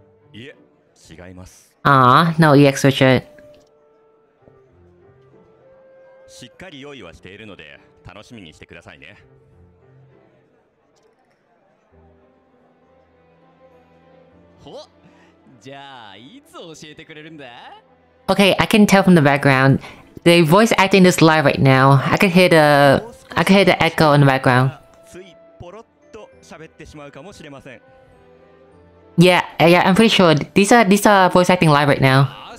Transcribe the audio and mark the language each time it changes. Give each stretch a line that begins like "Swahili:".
Japanese: 違います。ああ、ノーEX、リチャード。しっかり用意はしているので楽しみにしてくださいね。ほ、じゃあいつ教えてくれるんだ？
English: Okay, I can tell from the background, the voice acting is live right now. I can hear the echo in the background.
Japanese: ついポロッと喋ってしまうかもしれません。
English: Yeah, I'm pretty sure these are voice acting live right now.